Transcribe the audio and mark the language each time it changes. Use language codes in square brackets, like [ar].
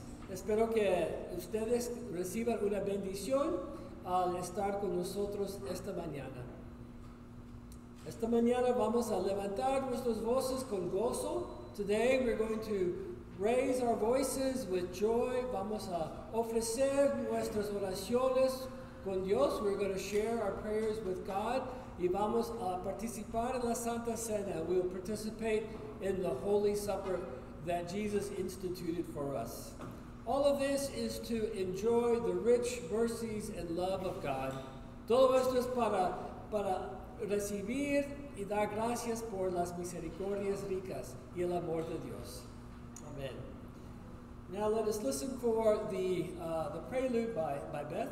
[es] Espero que ustedes reciban una bendición al estar con nosotros esta mañana. Esta mañana vamos a levantar nuestras voces con gozo. [en] Today we're going to raise our voices with joy. [es] Vamos a ofrecer nuestras oraciones con Dios. [en] We're going to share our prayers with God. [es] Y vamos a participar en la Santa Cena. [en] We'll participate in the Holy Supper that Jesus instituted for us. All of this is to enjoy the rich mercies and love of God. [es] Todo esto es para recibir y dar gracias por las misericordias ricas y el amor de Dios. Amen. [en] Now let us listen for the prelude by Beth.